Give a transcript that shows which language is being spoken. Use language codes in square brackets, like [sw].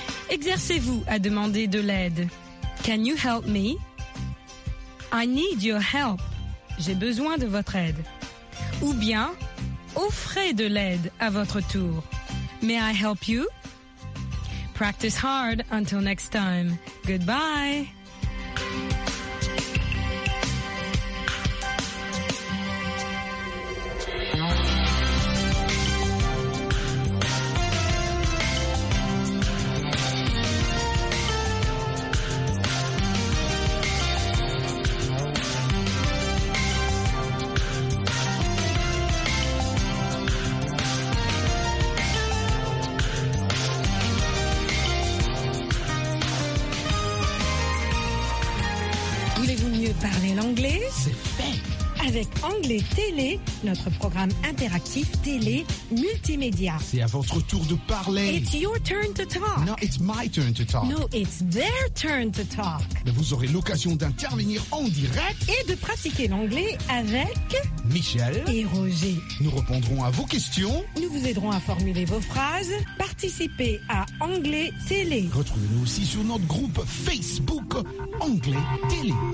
[fr] Exercez-vous à demander de l'aide. [en] Can you help me? I need your help. [fr] J'ai besoin de votre aide. Ou bien, offrez de l'aide à votre tour. [en] May I help you? Practice hard until next time. Goodbye. [fr] mieux parler l'anglais? C'est fait! Avec Anglais Télé, notre programme interactif télé multimédia. C'est à votre tour de parler. [en] It's your turn to talk. No, it's my turn to talk. No, it's their turn to talk. [fr] Mais vous aurez l'occasion d'intervenir en direct. Et de pratiquer l'anglais avec... Michel. Et Roger. Nous répondrons à vos questions. Nous vous aiderons à formuler vos phrases. Participez à Anglais Télé. Retrouvez-nous aussi sur notre groupe Facebook Anglais Télé.